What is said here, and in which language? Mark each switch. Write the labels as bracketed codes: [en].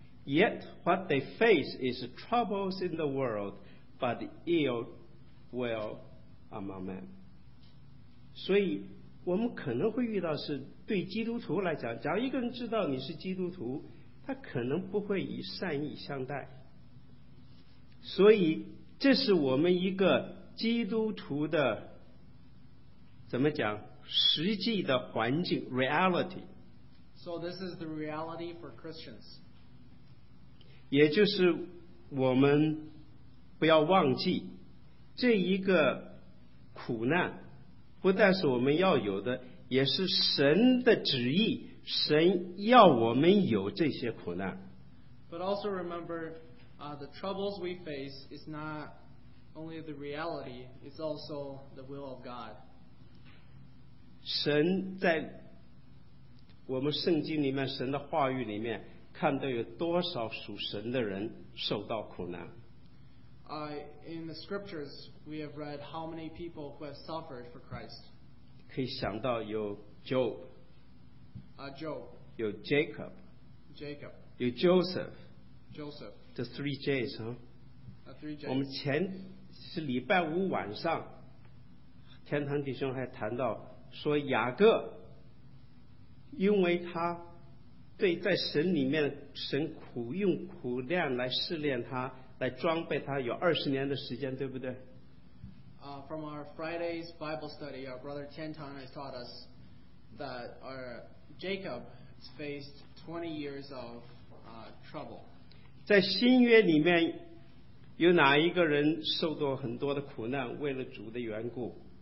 [en] Yet what they face is troubles in the world, but ill will among men. [zh] 所以我们可能会遇到是对基督徒来讲，假如一个人知道你是基督徒，他可能不会以善意相待。所以这是我们一个基督徒的怎么讲实际的环境 reality。 [en] So this is the reality for Christians. [zh] 也就是我们不要忘记这一个苦难不但是我们要有的，也是神的旨意，神要我们有这些苦难。 [en] But also remember, the troubles we face is not only the reality, it's also the will of God. [zh] 神在我们圣经里面，神的话语里面，看到有多少属神的人受到苦难。 [en] In the scriptures, we have read how many people who have suffered for Christ. [zh] 可以想到有 Job. [en] Job. [zh] 有 Jacob. [en] Jacob. [zh] 有 Joseph. [en] Joseph. The three J's, huh? Three J's. [zh] 我们前是礼拜五晚上，天堂弟兄还谈到说雅各，因为他对在神里面神苦用苦难来试炼他。来装备他有二十年的时间，对不对？ [en] From our Friday's Bible study, our brother Tian-Tang has taught us that our Jacob faced 20 years of trouble. [zh] 在新约里面，有哪一个人受过很多的苦难，为了主的缘故？